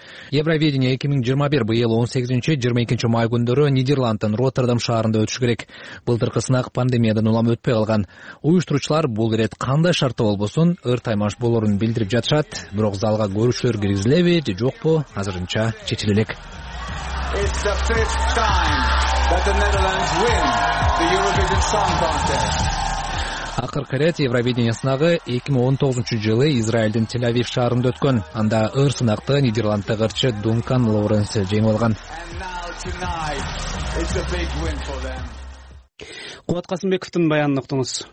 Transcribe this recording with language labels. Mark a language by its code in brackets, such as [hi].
[ky] Евровидение 2021 быйыл 18-22 май күндөрү Нидерландтын Роттердам шаарында өтүш керек. Былтыркы сынак пандемиядан улам өтпөй калган. Уюштуруучулар бул ирет кандай шарты болбосун ырт аймаш болорун билдирип жатышат. Бирок залга көрүүчүлөр киргизилеби же жокпу азырынча чечиле элек. [en] It's the fifth time that the Netherlands win the Eurovision Song Contest. [ky] Акыркы ирет Евровидение сынагы 2019 жылы Израилдин Тель-Авив шаарында өткөн. Анда ыр сынакты Нидерландтык ырчы Дункан Лоуренс жеңип алган. Кубат Касымбековдун баянын уктуңуз.